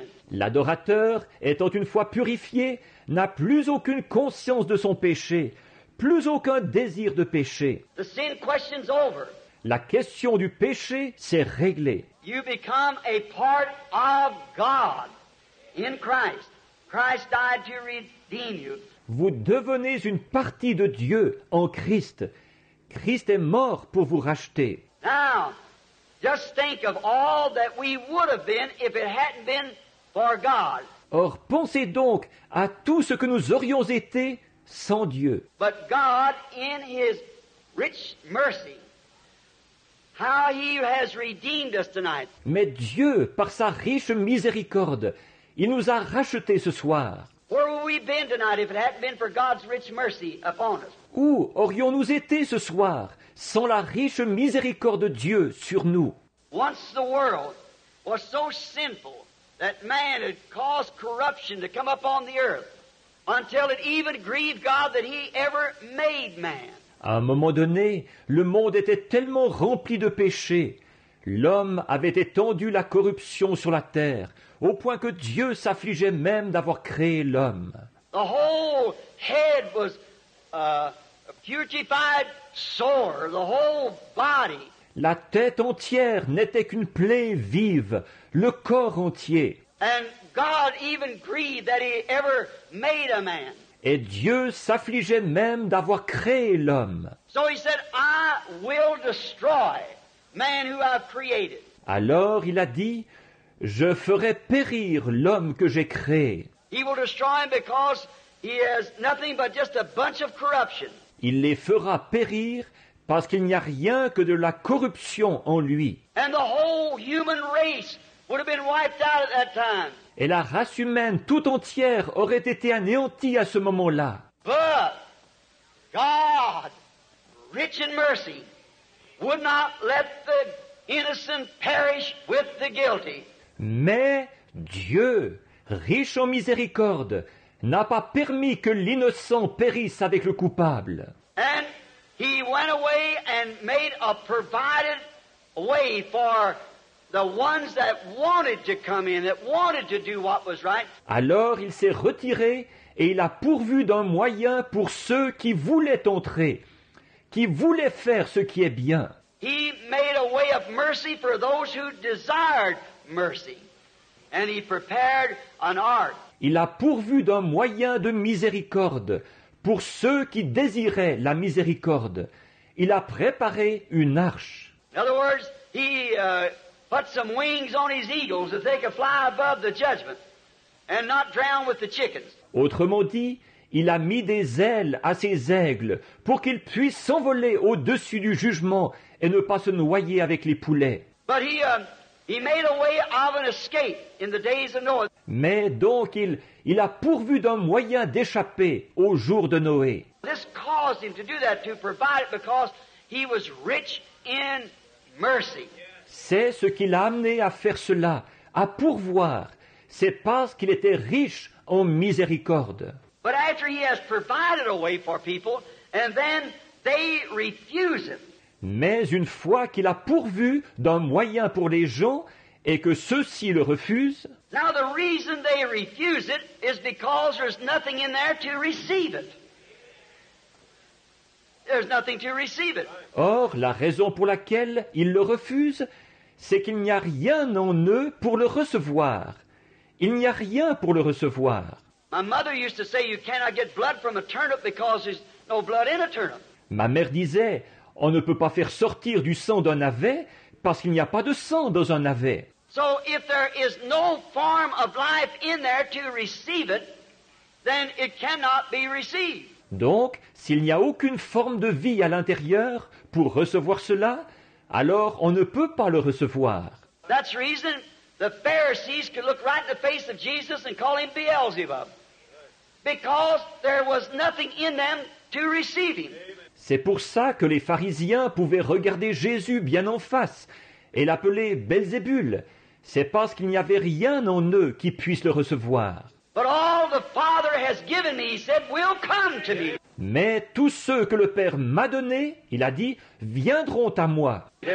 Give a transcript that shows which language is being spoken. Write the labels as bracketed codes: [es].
[fr] L'adorateur, étant une fois purifié, n'a plus aucune conscience de son péché, plus aucun désir de péché. [en] The sin question's over. [fr] La question du péché s'est réglée. [en] You become a part of God in Christ. Christ died to redeem you. [fr] Vous devenez une partie de Dieu en Christ. Christ est mort pour vous racheter. [en] Now, just think of all that we would have been if it hadn't been for God. [fr] Or, pensez donc à tout ce que nous aurions été sans Dieu. [en] But God, in His rich mercy, how He has redeemed us tonight. [fr] Mais Dieu, par sa riche miséricorde, il nous a rachetés ce soir. [en] Where would we have been tonight if it hadn't been for God's rich mercy upon us? [fr] Où aurions-nous été ce soir sans la riche miséricorde de Dieu sur nous? [en] Once the world was so sinful that man had caused corruption to come upon the earth, until it even grieved God that He ever made man. [fr] À un moment donné, le monde était tellement rempli de péchés, l'homme avait étendu la corruption sur la terre, au point que Dieu s'affligeait même d'avoir créé l'homme. [en] The whole head was a putrefied sore, the whole body. [fr] La tête entière n'était qu'une plaie vive, le corps entier. [en] And God even grieved that He ever made a man. [fr] Et Dieu s'affligeait même d'avoir créé l'homme. [en] So He said, I will destroy man who I've created. [fr] Alors il a dit, je ferai périr l'homme que j'ai créé. [en] He will destroy him because he has nothing but just a bunch of corruption. [fr] Il les fera périr parce qu'il n'y a rien que de la corruption en lui. [en] And the whole human race would have been wiped out at that time. [fr] Et la race humaine tout entière aurait été anéantie à ce moment-là. [en] But God, rich in mercy, would not let the innocent perish with the guilty. [fr] Mais Dieu, riche en miséricorde, n'a pas permis que l'innocent périsse avec le coupable. [en] And He went away and made a provided way for the ones that wanted to come in, that wanted to do what was right. [fr] Alors il s'est retiré et il a pourvu d'un moyen pour ceux qui voulaient entrer, qui voulaient faire ce qui est bien. [en] He made a way of mercy for those who desired mercy. And He prepared an ark. [fr] Il a pourvu d'un moyen de miséricorde pour ceux qui désiraient la miséricorde. Il a préparé une arche. [en] In other words, He put some wings on His eagles that they could fly above the judgment and not drown with the chickens. [fr] Autrement dit, il a mis des ailes à ses aigles pour qu'ils puissent s'envoler au-dessus du jugement et ne pas se noyer avec les poulets. [en] But he made a way of an escape in the days of Noah. [fr] Mais donc il a pourvu d'un moyen d'échapper au jour de Noé. [en] This caused him to do that, to provide it because he was rich in mercy. [fr] C'est ce qui l'a amené à faire cela, à pourvoir. C'est parce qu'il était riche en miséricorde. [en] But after he has provided a way for people, and then they refuse him. [fr] Mais une fois qu'il a pourvu d'un moyen pour les gens et que ceux-ci le refusent, [en] now the reason they refuse it is because there's nothing in there to receive it. There's nothing to receive it. [fr] Or, la raison pour laquelle ils le refusent, c'est qu'il n'y a rien en eux pour le recevoir. Il n'y a rien pour le recevoir. [en] My mother used to say you cannot get blood from a turnip because there's no blood in a turnip. [fr] Ma mère disait, on ne peut pas faire sortir du sang d'un navet parce qu'il n'y a pas de sang dans un navet. [en] So if there is no form of life in there to receive it, then it cannot be received. [fr] Donc, s'il n'y a aucune forme de vie à l'intérieur pour recevoir cela, alors on ne peut pas le recevoir. [en] That's the reason the Pharisees could look right in the face of Jesus and call him Beelzebub. Because there was nothing in them to receive him. [fr] C'est pour ça que les pharisiens pouvaient regarder Jésus bien en face et l'appeler Belzébul. C'est parce qu'il n'y avait rien en eux qui puisse le recevoir. [en] But all the Father has given me, he said, will come to me. [fr] Mais tous ceux que le Père m'a donné, il a dit, viendront à moi.